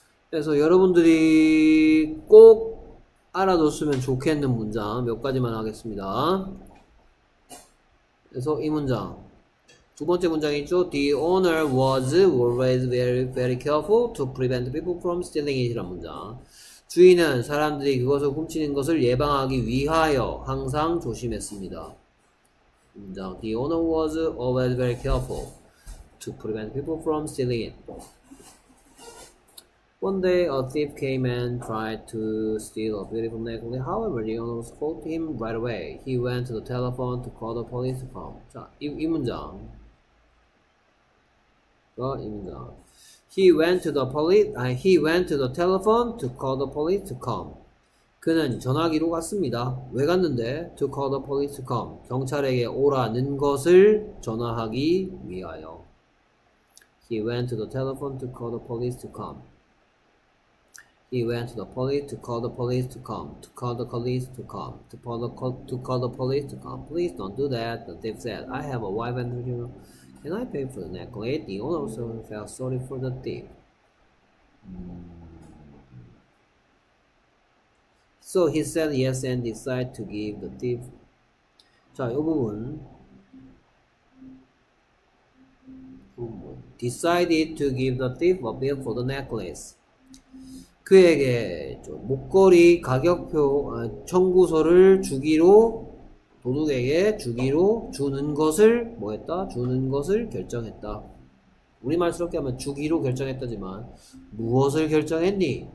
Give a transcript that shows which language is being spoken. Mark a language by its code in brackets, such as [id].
[ko] 그래서 여러분들이 꼭 알아뒀으면 좋겠는 문장 몇 가지만 하겠습니다. 그래서 이 문장. 두 번째 문장이 있죠. [en] The owner was always very, very careful to prevent people from stealing it. [ko] 이란 문장. 주인은 사람들이 그것을 훔치는 것을 예방하기 위하여 항상 조심했습니다. 문장. [en] The owner was always very careful to prevent people from stealing it. One day, a thief came and tried to steal a beautiful necklace. However, the owner caught him right away. He went to the telephone to call the police to come. [ko] 자, 이 문장. 이 문장. [en] He went to the police. He went to the telephone to call the police to come. [ko] 그는 전화기로 갔습니다. 왜 갔는데? [en] To call the police to come. [ko] 경찰에게 오라는 것을 전화하기 위하여. [en] He went to the telephone to call the police to come. He went to the police to call the police to come. To call the police to come. To call the police to come. Please don't do that. The thief said, I have a wife and children. Can I pay for the necklace? The owner also felt sorry for the thief. So he said yes and decided to give the thief. [ko] 자, 요 부분. [en] Decided to give the thief a bill for the necklace. [ko] 그에게 목걸이 가격표 청구서를 주기로 도둑에게 주기로 주는 것을 뭐했다? 주는 것을 결정했다. 우리 말 쓰럽게 하면 주기로 결정했다지만 무엇을 결정했니?